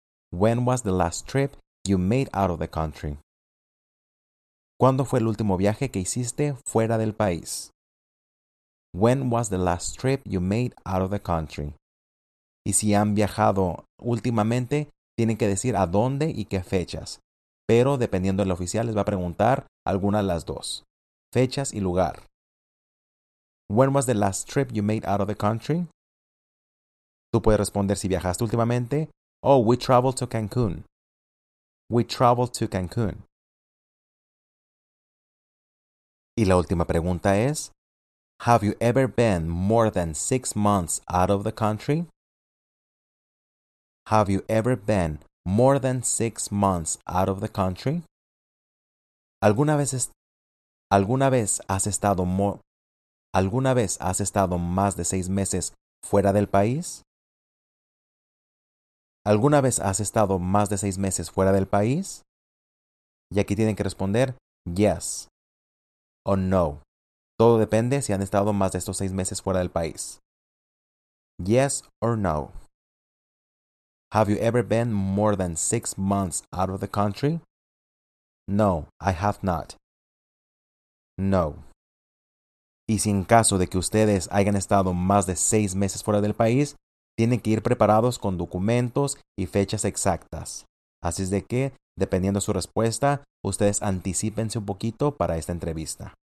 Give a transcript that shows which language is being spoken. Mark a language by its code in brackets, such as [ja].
[en] When was the last trip you made out of the country? [es] ¿Cuándo fue el último viaje que hiciste fuera del país? [en] When was the last trip you made out of the country? [es] Y si han viajado últimamente, tienen que decir a dónde y qué fechas. Pero dependiendo del oficial, les va a preguntar alguna de las dos. Fechas y lugar. When was the last trip you made out of the country? Tú puedes responder si viajaste últimamente. [en] Oh, we traveled to Cancun. We traveled to Cancun. [es] Y la última pregunta es, [en] have you ever been more than 6 months out of the country? Have you ever been more than 6 months out of the country? [es] ¿Alguna vez has estado más de 6 meses fuera del país? ¿Alguna vez has estado más de 6 meses fuera del país? Y aquí tienen que responder yes o no. Todo depende si han estado más de estos 6 meses fuera del país. [en] Yes or no. Have you ever been more than 6 months out of the country? No, I have not. No. [es] Y si en caso de que ustedes hayan estado más de 6 meses fuera del país, tienen que ir preparados con documentos y fechas exactas. Así es de que, dependiendo de su respuesta, ustedes anticípense un poquito para esta entrevista.